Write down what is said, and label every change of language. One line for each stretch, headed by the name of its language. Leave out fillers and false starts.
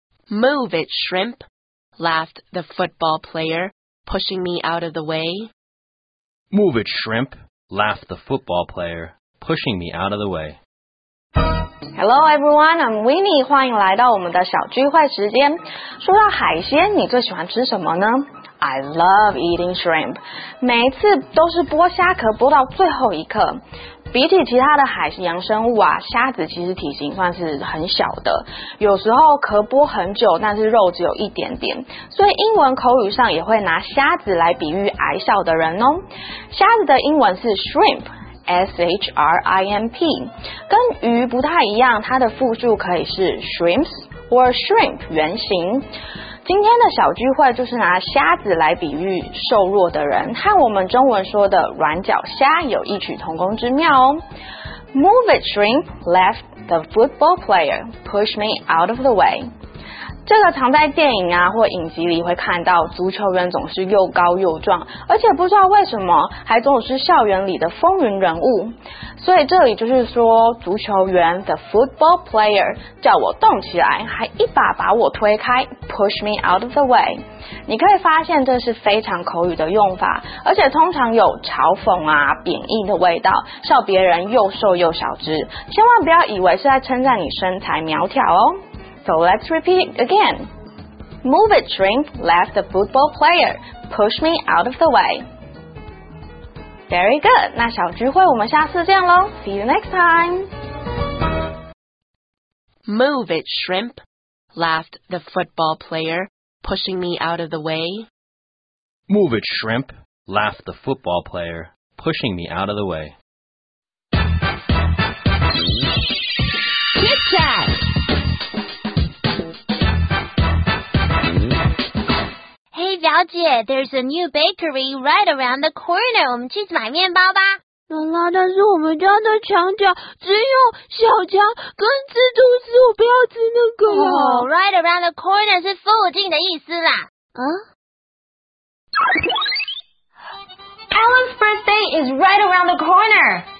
English: Move it, shrimp, laughed the football player. pushing me out of the way? Move it, shrimp, laughed the football player, pushing me out of the way. Hello everyone, I'm Winnie,
Chinese: 欢迎来到我们的小聚会时间。说到海鲜，你最喜欢吃什么呢？
English: I love eating shrimp.
Chinese: 每一次都是剥虾壳剥到最后一刻。比起其他的海洋生物啊，虾子其实体型算是很小的。有时候壳剥很久，但是肉只有一点点。所以英文口语上也会拿虾子来比喻矮小的人哦。虾子的英文是 shrimp, S-H-R-I-M-P。跟鱼不太一样，它的复数可以是
English: shrimps, or shrimp,
Chinese: 原型。今天的小聚会就是拿虾子来比喻瘦弱的人，和我们中文说的软脚虾有异曲同工之妙哦。
English: Move it, shrimp, left the football player, push me out of the way.
Chinese: 这个常在电影啊或影集里会看到，足球员总是又高又壮，而且不知道为什么还总是校园里的风云人物。所以这里就是说，足球员
English: the football player
Chinese: 叫我动起来，还一把把我推开
English: push me out of the way。
Chinese: 你可以发现这是非常口语的用法，而且通常有嘲讽啊贬义的味道，笑别人又瘦又小只，千万不要以为是在称赞你身材苗条哦。
English: So let's repeat again. Move it, shrimp, left the football player, push me out of the way. Very good.
Chinese: 那小聚会我们下次见咯。
English: See you next time. Move it, shrimp, laughed the football player, pushing me out of the way. Move it, shrimp, laughed the football player, pushing me out of the way. Kick that! Hey, 表姐, there's a new bakery right around the corner.
Chinese: 我们去买面包吧。妈妈，但是我们家的墙角只有小强跟蜘蛛丝，我不要吃那个。
English: Right around the corner
Chinese: 是附近的意思啦。嗯?
English: Alan's birthday is right around the corner.